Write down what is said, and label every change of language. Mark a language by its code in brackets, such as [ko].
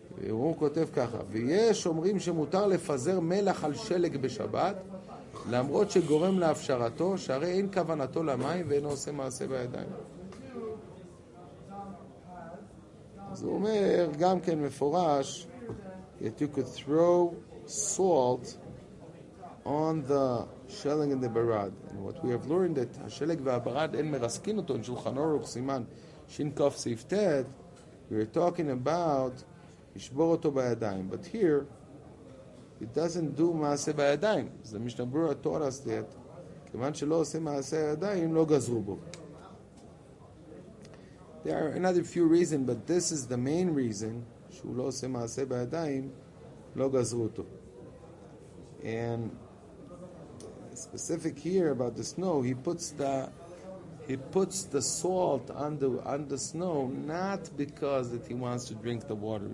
[he] הוא כותב ככה, ויש אומרים שמותר לפזר מלח על שלג בשבת, למרות שגורם להפשרתו, שהרי אין כוונתו למים ואין עושה מעשה בידיים. אז הוא אומר, גם כן מפורש, [en] that you could throw salt on the shelling and the barad. And what we have learned that [he] השלג והברד אין מרסקין אותו, [en] in שולחן ערוך, סימן, שינקוף סיפטט, we are talking about, [he] ישבור אותו בידיים. [en] But here, it doesn't do מעשה בידיים. The Mishnah Berurah taught us that, [he] כיוון שלא עושה מעשה בידיים, לא גזרו בו. [en] There are another few reasons, but this is the main reason [he] שהוא לא עושה מעשה בידיים, לא גזרו אותו. [en] And specific here about the snow, he puts the salt on the snow, not because that he wants to drink the water.